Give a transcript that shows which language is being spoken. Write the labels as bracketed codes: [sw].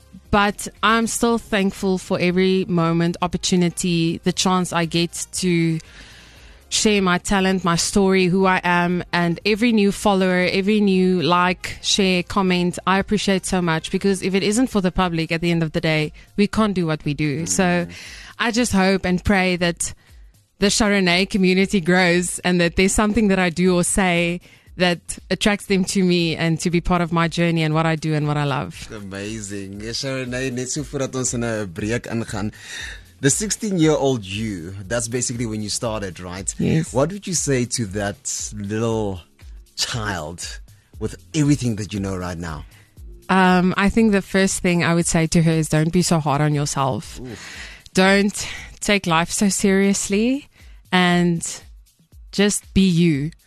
[en] But I'm still thankful for every moment, opportunity, the chance I get to share my talent, my story, who I am, and every new follower, every new like, share, comment, I appreciate so much because if it isn't for the public at the end of the day, we can't do what we do. So I just hope and pray that the Chardonnay community grows and that there's something that I do or say that attracts them to me and to be part of my journey and what I do and what I love. Amazing. [af] Chardonnay, net so voordat ons in 'n breek ingaan. [en] The 16-year-old you, that's basically when you started, right? Yes. What would you say to that little child with everything that you know right now? I think the first thing I would say to her is don't be so hard on yourself. Ooh. Don't take life so seriously and just be you.